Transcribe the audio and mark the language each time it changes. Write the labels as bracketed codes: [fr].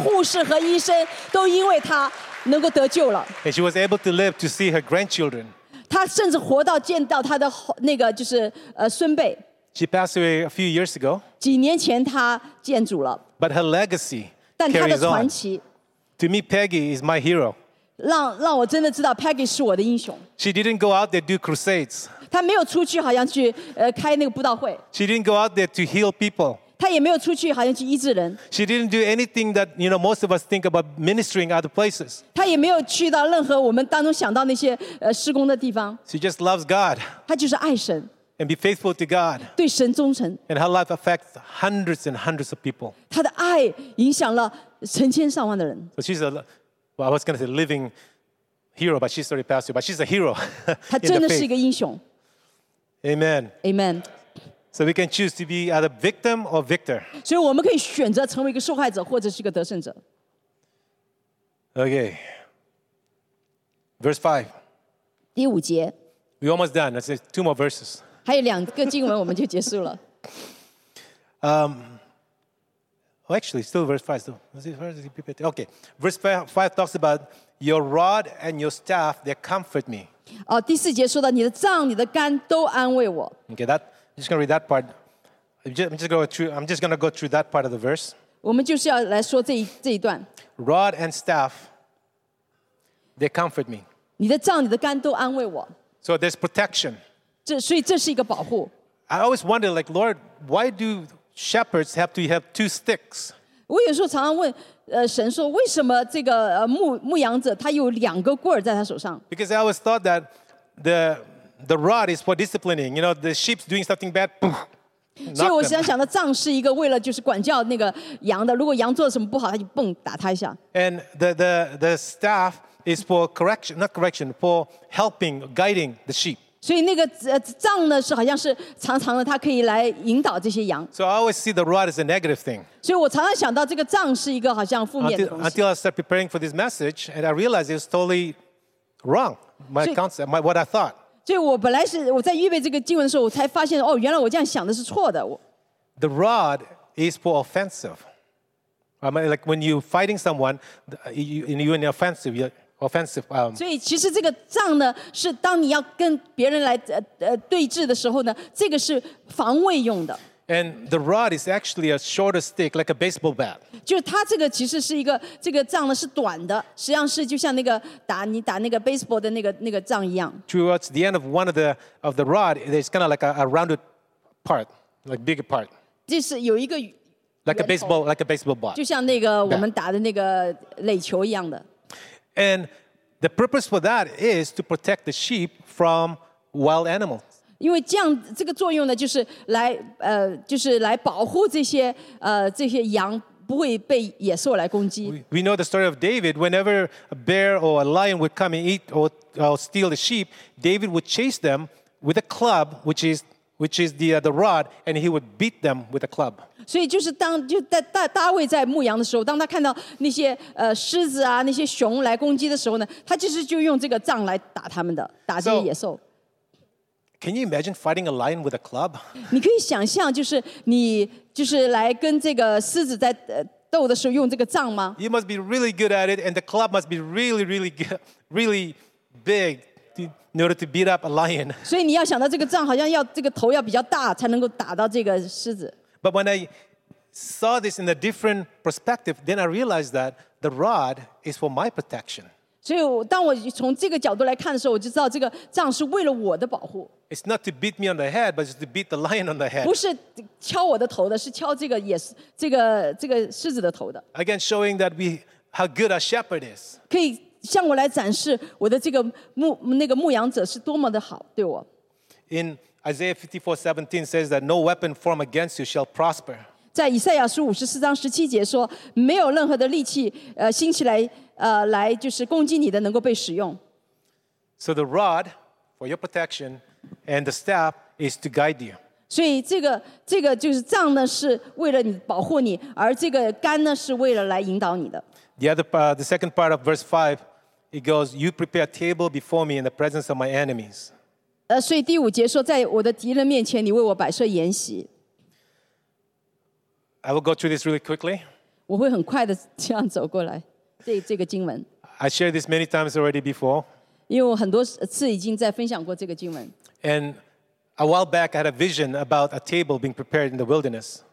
[zh] 11年，很多穆斯林的护士和医生都因为她能够得救了。 [en] And she was able to live to see her grandchildren. [zh] 她甚至活到见到她的那个就是孙辈。 [en] She passed away a few years ago. [zh] 几年前她见主了。 [en] But her legacy carries on. To me, Peggy is my hero. [zh] 让我真的知道Peggy是我的英雄。 [en] She didn't go out there to do crusades. [zh] 她没有出去好像去开那个布道会。 [en] She didn't go out there to heal people. [zh] 她也没有出去好像去医治人。 [en] She didn't do anything that, you know, most of us think about ministering other places. [zh] 她也没有去到任何我们当中想到那些施工的地方。 [en] She just loves God. [zh] 她就是爱神。 [en] And be faithful to God. [zh] 对神忠诚。 [en] And her life affects hundreds and hundreds of people. [zh] 她的爱影响了成千上万的人。 [en] So she's a, well, I was going to say living hero, but she's already passed away, but she's a hero. [zh] 她真的是一个英雄。 [en] Amen. Amen. So we can choose to be either victim or victor. [zh] 所以我们可以选择成为一个受害者或者是一个得胜者。 [en] Okay. Verse 5. [zh] 第五节。 [en] We're almost done. Let's say two more verses. [zh] 还有两个经文我们就结束了。 [en] Oh, actually, still verse 5. Okay. Verse 5 talks about your rod and your staff, they comfort me. [zh] 第四节说到你的杖、你的竿都安慰我。 [en] Okay, that, I'm just going to read that part. I'm just going to go through that part of the verse. [zh] 我们就是要来说这一段。 [en] Rod and staff, they comfort me. [zh] 你的杖、你的竿都安慰我。 [en] So there's protection. [zh] 所以这是一个保护。 [en] I always wonder, like, Lord, why do shepherds have to have two sticks? [zh] 我有时候常常问, 神说为什么这个牧羊者他有两个棍在他手上。 [en] Because I always thought that the rod is for disciplining. You know, the sheep's doing something bad. [zh] 所以我想的杖是一个为了就是管教那个羊的。如果羊做什么不好，他就蹦打他一下。 [en] And the staff is for correction, not correction, for helping, guiding the sheep. [zh] 所以那个杖呢是好像是长长的它可以来引导这些羊 [en] So I always see the rod as a negative thing [zh] 所以我常常想到这个杖是一个好像负面的东西 [en] Until I started preparing for this message and I realized it was totally wrong my concept, what I thought [zh] 所以我本来是我在预备这个经文的时候我才发现哦原来我这样想的是错的 [en] The rod is for offensive I mean, like when you're fighting someone you're in the offensive [zh] 所以其实这个杖呢是当你要跟别人来对峙的时候呢这个是防卫用的 [en] And the rod is actually a shorter stick like a baseball bat [zh] 就是它这个其实是一个这个杖呢是短的实际上是就像那个打你打那个 baseball 的那个杖一样 [en] Towards the end of one of the rod it's kind of like a rounded part like bigger part [zh] 这是有一个 [en] Like a baseball bat [zh] 就像那个我们打的那个垒球一样的 [en] And the purpose for that is to protect the sheep from wild animals. [zh] 因为这样这个作用呢，就是来就是来保护这些羊不会被野兽来攻击。 [en] We know the story of David. Whenever a bear or a lion would come and eat or steal the sheep, David would chase them with a club, which is the rod, and he would beat them with a club. [zh] 所以就是当就大卫在牧羊的时候，当他看到那些狮子啊那些熊来攻击的时候呢，他其实就用这个杖来打他们的，打这些野兽。 [en] Can you imagine fighting a lion with a club? [zh] 你可以想象就是你就是来跟这个狮子在斗的时候用这个杖吗 [en] ？You must be really good at it, and the club must be really, really, good, really big. In order to beat up a lion. [zh] 所以你要想到这个杖好像要这个头要比较大才能够打到这个狮子。 [en] But when I saw this in a different perspective, then I realized that the rod is for my protection. [zh] 所以当我从这个角度来看的时候，我就知道这个杖是为了我的保护。 [en] It's not to beat me on the head, but it's to beat the lion on the head. [zh] 不是敲我的头的，是敲这个狮子的头的。 [en] Again, showing that we how good our shepherd is. [zh] 可以。向我来展示我的这个牧羊者是多么的好对我。 [en] In Isaiah 54:17 says that no weapon formed against you shall prosper. [zh] 在以赛亚书54:17说，没有任何的利器兴起来来就是攻击你的能够被使用。 [en] So the rod for your protection and the staff is to guide you. [zh] 所以这个就是杖呢是为了你保护你，而这个杆呢是为了来引导你的。 [en] The second part of verse 5, it goes, You prepare a table before me in the presence of my enemies. [zh] 所以第五节说，在我的敌人面前，你为我摆设筵席。 [en] I will go through this really quickly. [zh] 我会很快的这样走过来，这个经文。 [en] I shared this many times already before. [zh] 因为我很多次已经在分享过这个经文。 [en] And a while back, I had a vision about a table being prepared in the wilderness.